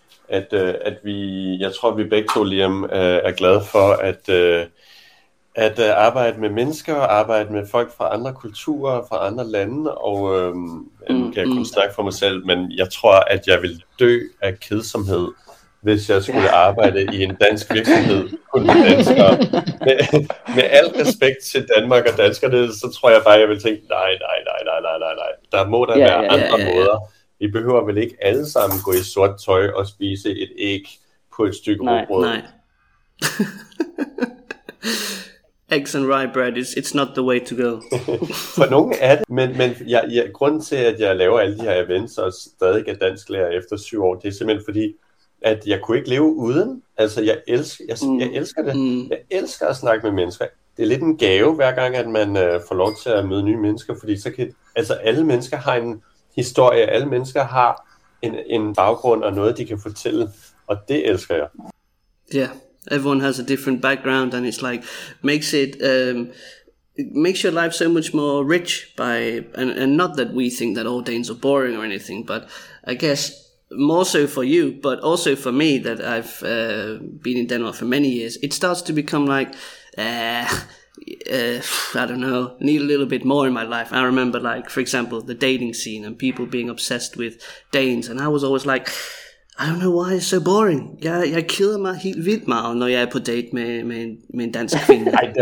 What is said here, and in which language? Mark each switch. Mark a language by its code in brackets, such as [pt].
[da] at vi, jeg tror, vi begge to, Liam, er glade for at arbejde med mennesker, arbejde med folk fra andre kulturer, fra andre lande, og nu kan jeg kun snakke for mig selv, men jeg tror, at jeg vil dø af kedsomhed, hvis jeg skulle arbejde i en dansk virksomhed, kun med danskere. Med al respekt til Danmark og danskerne, så tror jeg bare, jeg vil tænke, nej, nej, nej, nej, nej, nej, nej. Der må da være andre måder. Vi behøver vel ikke alle sammen gå i sort tøj og spise et æg på et stykke Nej, rugbrød. nej. [en] Eggs and rye bread, it's not the way to go. [da] For nogen er det, men grunden til, at jeg laver alle de her events og stadig er dansklærer efter 7 år, det er simpelthen fordi, at jeg kunne ikke leve uden. Altså, jeg elsker det. Jeg elsker at snakke med mennesker. Det er lidt en gave hver gang, at man får lov til at møde nye mennesker, fordi så kan, altså, alle mennesker har en historie, alle mennesker har en baggrund og noget, de kan fortælle, og det elsker jeg. [en] Yeah, everyone has a different background, and it's like makes it makes your life so much more rich by and not that we think that all Danes are boring or anything, but I guess more so for you, but also for me that I've been in Denmark for many years, it starts to become like I don't know, need a little bit more in my life. I remember, like, for example, the dating scene and people being obsessed with Danes, and I was always like, I don't know why it's so boring. [da] Jeg keder mig helt vildt meget, når jeg er på date med en dansk kvinde.